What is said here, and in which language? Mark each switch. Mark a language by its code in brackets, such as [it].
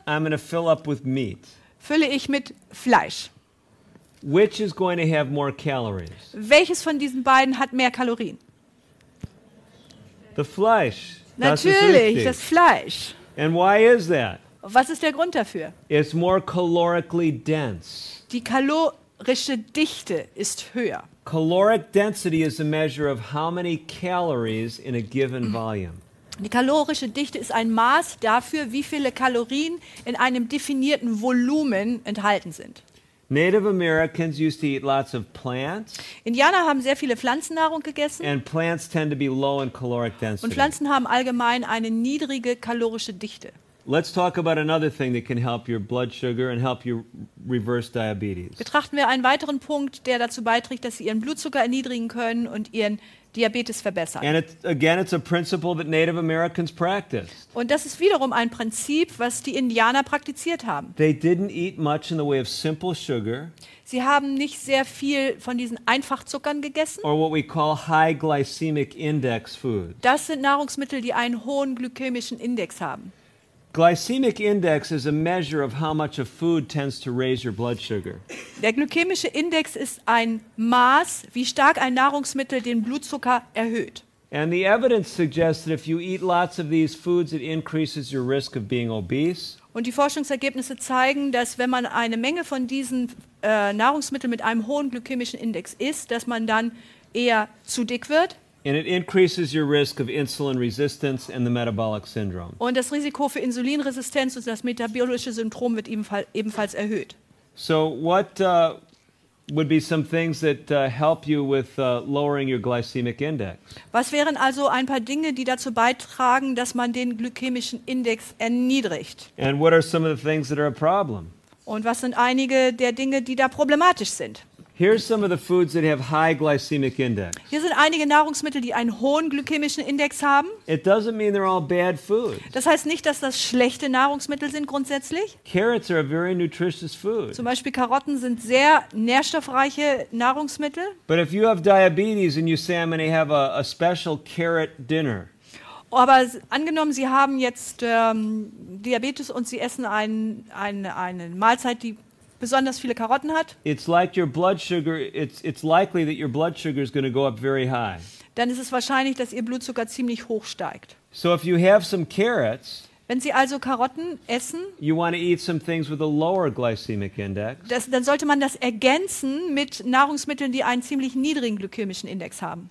[en] I'm going to fill up with meat. [de] Fülle ich mit Fleisch. [en] Which is going to have more calories? [de] Welches von diesen beiden hat mehr Kalorien? [en] The [de] Fleisch. Natürlich, das Fleisch. [en] And why is that? [de] Was ist der Grund dafür? [en] It's more calorically dense. [de] Die kalorische Dichte ist höher. [en] Caloric density is a measure of how many calories in a given volume. [de] Die kalorische Dichte ist ein Maß dafür, wie viele Kalorien in einem definierten Volumen enthalten sind. [en] Native Americans used to eat lots of plants. [de] Indianer haben sehr viele Pflanzennahrung gegessen. [en] And plants tend to be low in caloric density. [de] Und Pflanzen haben allgemein eine niedrige kalorische Dichte. [en] Let's talk about another thing that can help your blood sugar and help you reverse diabetes. [de] Betrachten wir einen weiteren Punkt, der dazu beiträgt, dass Sie Ihren Blutzucker erniedrigen können und Ihren Diabetes verbessern. [en] And it's a principle that Native Americans practiced. [de] Und das ist wiederum ein Prinzip, was die Indianer praktiziert haben. [en] They didn't eat much in the way of simple sugar. [de] Sie haben nicht sehr viel von diesen Einfachzuckern gegessen. [en] Or what we call high glycemic index foods. [de] Das sind Nahrungsmittel, die einen hohen glykämischen Index haben. [en] Glycemic index is a measure of how much a food tends to raise your blood sugar. [de] Der glykämische Index ist ein Maß, wie stark ein Nahrungsmittel den Blutzucker erhöht. [en] And the evidence suggests that if you eat lots of these foods, it increases your risk of being obese. [de] Und die Forschungsergebnisse zeigen, dass wenn man eine Menge von diesen Nahrungsmitteln mit einem hohen glykämischen Index isst, dass man dann eher zu dick wird. [en] And it increases your risk of insulin resistance and the metabolic syndrome. [de] Und das Risiko für Insulinresistenz und das metabolische Syndrom wird ebenfalls erhöht. [en] So what would be some things that help you with lowering your glycemic index? [de] Was wären also ein paar Dinge, die dazu beitragen, dass man den glykämischen Index erniedrigt? [en] And what are some of the things that are a problem? [de] Und was sind einige der Dinge, die da problematisch sind? [en] Here's some of the foods that have high glycemic index. [de] Hier sind einige Nahrungsmittel, die einen hohen glykämischen Index haben. [en] It doesn't mean they're all bad foods. [de] Das heißt nicht, dass das schlechte Nahrungsmittel sind grundsätzlich. [en] Carrots are a very nutritious food. [de] Zum Beispiel Karotten sind sehr nährstoffreiche Nahrungsmittel. [en] But if you have diabetes and you say I'm going to have a special carrot dinner. [de] Aber angenommen, Sie haben jetzt Diabetes und Sie essen eine Mahlzeit, die besonders viele Karotten hat. [en] It's like your blood sugar, it's likely that your blood sugar is going to go up very high. [de] Dann ist es wahrscheinlich, dass Ihr Blutzucker ziemlich hoch steigt. [en] So if you have some carrots, [de] Wenn Sie also Karotten essen, [en] you want to eat some things with a lower glycemic index. [de] Das, dann sollte man das ergänzen mit Nahrungsmitteln, die einen ziemlich niedrigen glykämischen Index haben.